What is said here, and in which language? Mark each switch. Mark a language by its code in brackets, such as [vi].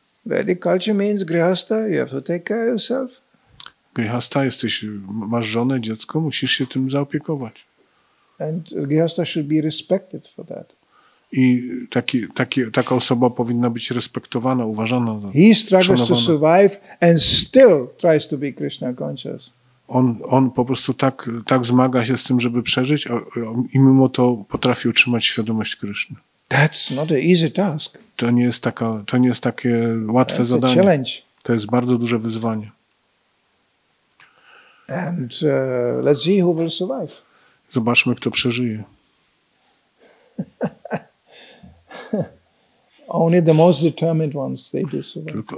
[en] Vedic culture means grihasta, you have to take care of yourself. [pl] Grihasta, masz żonę, dziecko, musisz się tym zaopiekować. [en] And grihasta should be respected for that. [pl] I taka osoba powinna być respektowana, uważana za. [en] He struggles to survive and still tries to be Krishna conscious. [pl] On po prostu tak zmaga się z tym, żeby przeżyć, i mimo to potrafi utrzymać świadomość Kryszny. [en] That's not an easy task. [pl] To nie jest takie łatwe [en] That's [pl] zadanie. [en] A challenge. [pl] To jest bardzo duże wyzwanie. [en] And let's see who will survive. [pl] Zobaczmy, kto przeżyje. [en] Only the most determined ones they do survive.